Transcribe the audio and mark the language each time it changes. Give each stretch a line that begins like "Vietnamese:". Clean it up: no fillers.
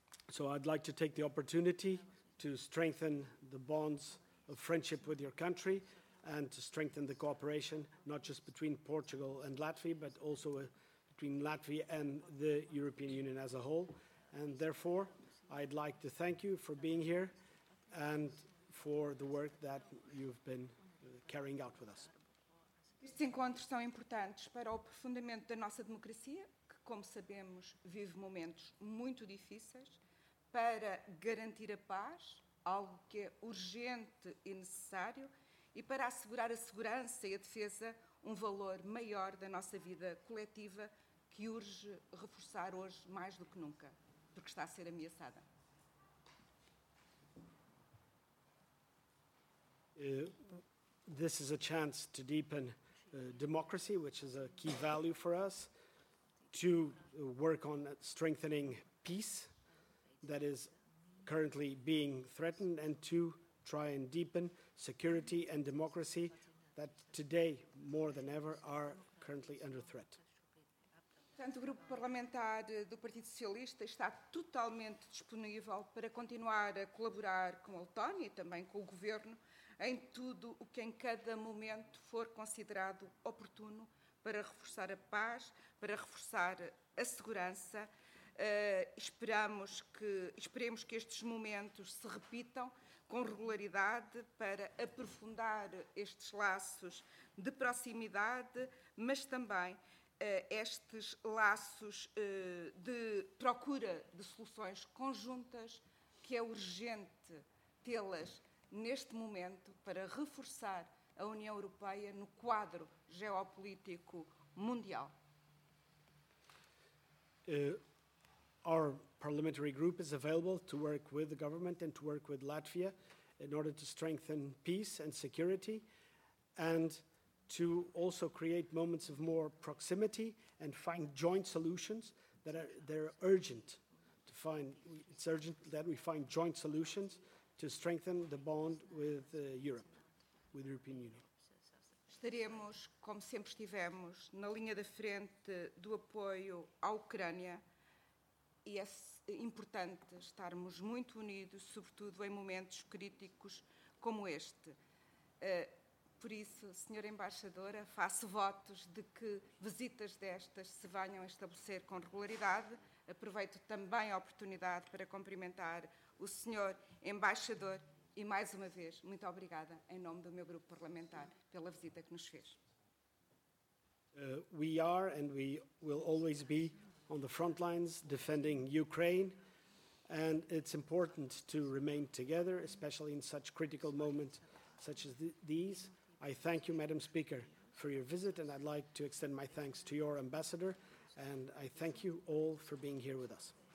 English: So I'd like to take the opportunity to strengthen the bonds of friendship with your country and to strengthen the cooperation, not just between Portugal and Latvia, but also between Latvia and the European Union as a whole. And therefore, I'd like to thank you for being here and for the work that you've been carrying out with us.
Portuguese: Estes encontros são importantes para o aprofundamento da nossa democracia, que, como sabemos, vive momentos muito difíceis, para garantir a paz, algo que é urgente e necessário, e para assegurar a segurança e a defesa, um valor maior da nossa vida coletiva, que urge reforçar hoje mais do que nunca, porque está a ser ameaçada.
English: This is a chance to deepen democracy, which is a key value for us, to work on strengthening peace that is currently being threatened, and to try and deepen security and democracy that today, more than ever, are currently under threat.
Portuguese: Portanto, o grupo parlamentar do Partido Socialista está totalmente disponível para continuar a colaborar com a Letónia e também com o governo em tudo o que em cada momento for considerado oportuno para reforçar a paz, para reforçar a segurança. Esperemos que estes momentos se repitam com regularidade para aprofundar estes laços de proximidade, mas também estes laços de procura de soluções conjuntas, que é urgente tê-las neste momento para reforçar a União Europeia no quadro geopolítico mundial.
English: Our parliamentary group is available to work with the government and to work with Latvia in order to strengthen peace and security, and to also create moments of more proximity and find joint solutions that are it's urgent that we find joint solutions to strengthen the bond with Europe, with the European Union.
Portuguese: Estaremos, como sempre estivemos, na linha da frente do apoio à Ucrânia, e é importante estarmos muito unidos, sobretudo em momentos críticos como este. Por isso, Sra. Embaixadora, faço votos de que visitas destas se venham a estabelecer com regularidade. Aproveito também a oportunidade para cumprimentar o Sr. Embaixador e, mais uma vez, muito obrigada, em nome do meu grupo parlamentar, pela visita que nos fez.
English: We are and we will always be on the front lines defending Ukraine, and it's important to remain together, especially in such critical moments such as these. I thank you, Madam Speaker, for your visit, and I'd like to extend my thanks to your ambassador, and I thank you all for being here with us.